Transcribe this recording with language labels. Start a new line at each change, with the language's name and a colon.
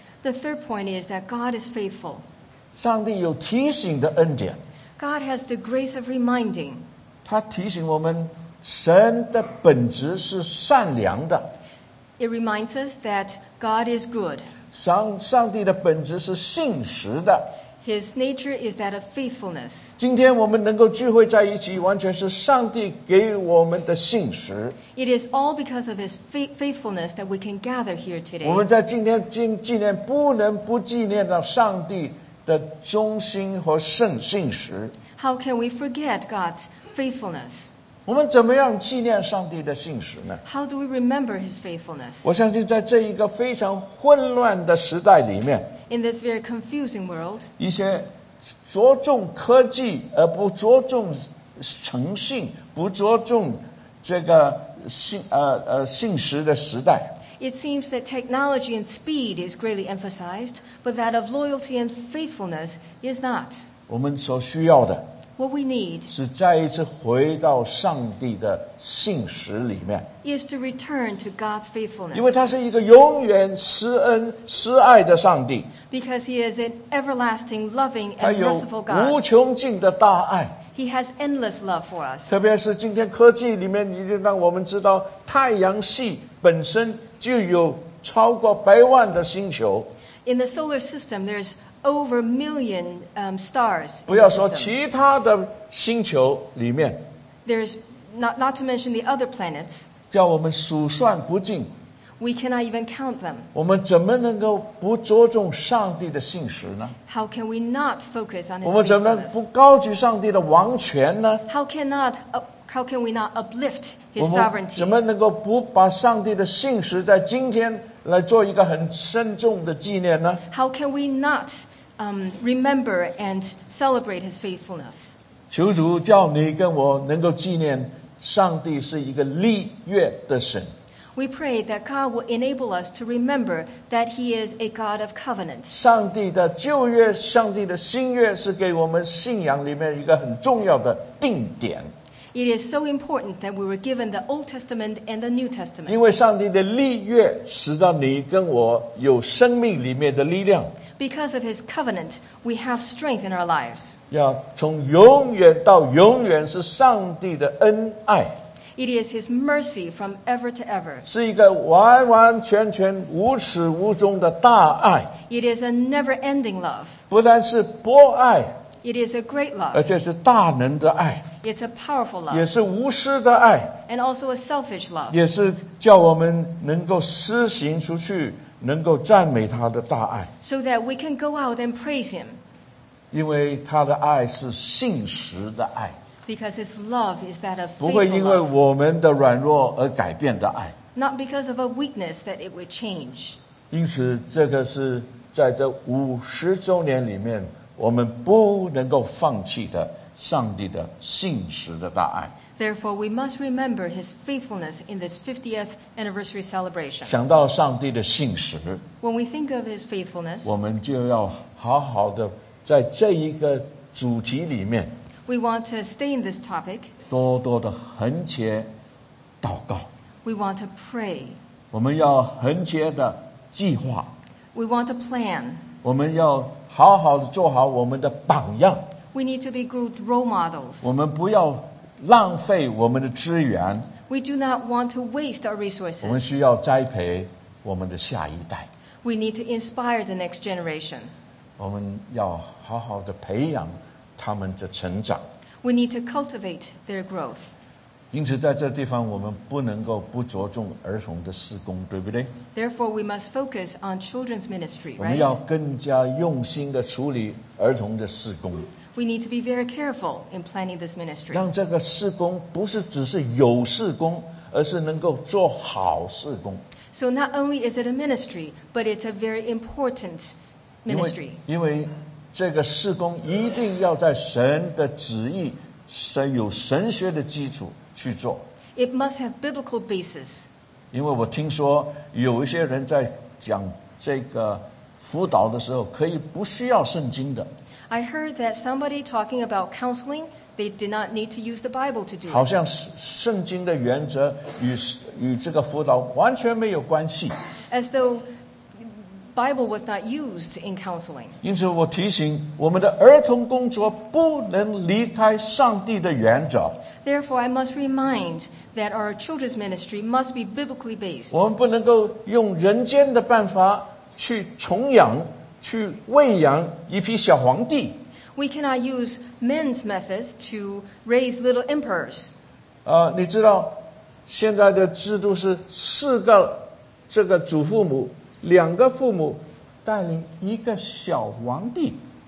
English: The third point is that God is faithful.
Chinese: 上帝有提醒的恩典。
English: God has the grace of reminding.
Chinese: 他提醒我们，神的本质是善良的。
English: It reminds us that God is good.
Chinese: 上帝的本质是信实的。
English: His nature is that of faithfulness.
Chinese: 今天我们能够聚会在一起，完全是上帝给我们的信实。
English: It is all because of his faithfulness that we can gather here today.
Chinese: 我们在今天纪念，不能不纪念到上帝的忠心和圣信实。
English: How can we forget God's faithfulness?
Chinese: 我们怎么样纪念上帝的信实呢？
English: How do we remember his faithfulness?
Chinese: 我相信在这一个非常混乱的时代里面，
English: In this very confusing world,
Chinese: 一些着重科技而不着重诚信，不着重这个信实的时代。
English: It seems that technology and speed is greatly emphasized, but that of loyalty and faithfulness is not.
Chinese: 我们所需要的
English: ，What we need,
Chinese: 是再一次回到上帝的信实里面
English: ，is to return to God's faithfulness.
Chinese: 因为他是一个永远施恩施爱的上帝。
English: Because he is an everlasting, loving, and merciful God.
Chinese: 无穷尽的大爱。
English: He has endless love for us.
Chinese: 特别是今天科技里面，已经让我们知道太阳系本身就有超过百万的星球。
English: In the solar system, there's over a million stars.
Chinese: 不要说其他的星球里面。
English: There's not to mention the other planets.
Chinese: 叫我们数算不尽。
English: We cannot even count them.
Chinese: 我们怎么能够不着重上帝的信实呢？
English: How can we not focus on his
Chinese: 我们怎么能不高举上帝的王权呢？
English: How can we not uplift his sovereignty?
Chinese: 怎么能够不把上帝的信实在今天来做一个很慎重的纪念呢？
English: How can we not remember and celebrate his faithfulness?
Chinese: 求主叫你跟我能够纪念上帝是一个立约的神。
English: We pray that God will enable us to remember that He is a God of covenant.
Chinese: 上帝的旧约，上帝的新约是给我们信仰里面一个很重要的定点。
English: It is so important that we were given the Old Testament and the New Testament.
Chinese: 因为上帝的立约使得你跟我有生命里面的力量。
English: Because of His covenant, we have strength in our lives.
Chinese: 要从永远到永远是上帝的恩爱。
English: It is his mercy from ever to ever.
Chinese: 是一个完完全全无始无终的大爱。
English: It is a never-ending love.
Chinese: 不但是博爱。
English: It is a great love.
Chinese: 而且是大能的爱。
English: It's a powerful love.
Chinese: 也是无私的爱。
English: And also a selfish love.
Chinese: 也是叫我们能够施行出去，能够赞美他的大爱。
English: So that we can go out and praise him.
Chinese: 因为他的爱是信实的爱。
English: Because his love is that of faithful love.
Chinese: 不会因为我们的软弱而改变的爱。
English: Not because of a weakness that it would change.
Chinese: 因此这个是在这五十周年里面我们不能够放弃的上帝的信实的大爱。
English: Therefore, we must remember his faithfulness in this 50th anniversary celebration.
Chinese: 想到上帝的信实，
English: When we think of his faithfulness,
Chinese: 我们就要好好的在这一个主题里面，
English: We want to stay in this topic.
Chinese: 多多的恒切祷告。
English: We want to pray.
Chinese: 我们要恒切的计划。
English: We want to plan.
Chinese: 我们要好好的做好我们的榜样。
English: We need to be good role models.
Chinese: 我们不要浪费我们的资源。
English: We do not want to waste our resources.
Chinese: 我们需要栽培我们的下一代。
English: We need to inspire the next generation.
Chinese: 我们要好好的培养他们的成长。
English: We need to cultivate their growth.
Chinese: 因此在这地方我们不能够不着重儿童的事工，对不对？
English: Therefore, we must focus on children's ministry, right?
Chinese: 我们要更加用心的处理儿童的事工。
English: We need to be very careful in planning this ministry.
Chinese: 让这个事工不是只是有事工，而是能够做好事工。
English: So not only is it a ministry, but it's a very important ministry.
Chinese: 因为这个事工一定要在神的旨意，神有神学的基础去做。
English: It must have biblical basis.
Chinese: 因为我听说有一些人在讲这个辅导的时候，可以不需要圣经的。
English: I heard that somebody talking about counseling, they did not need to use the Bible to do it.
Chinese: 好像圣经的原则 与这个辅导完全没有关系。
English: As though Bible was not used in counseling.
Chinese: 因此我提醒我们的儿童工作不能离开上帝的原则。
English: Therefore, I must remind that our children's ministry must be biblically based.
Chinese: 我们不能够用人间的办法去重养去喂养一批小皇帝。
English: We cannot use men's methods to raise little emperors.
Chinese: 你知道现在的制度是四个这个祖父母，两个父母带领一个小皇帝。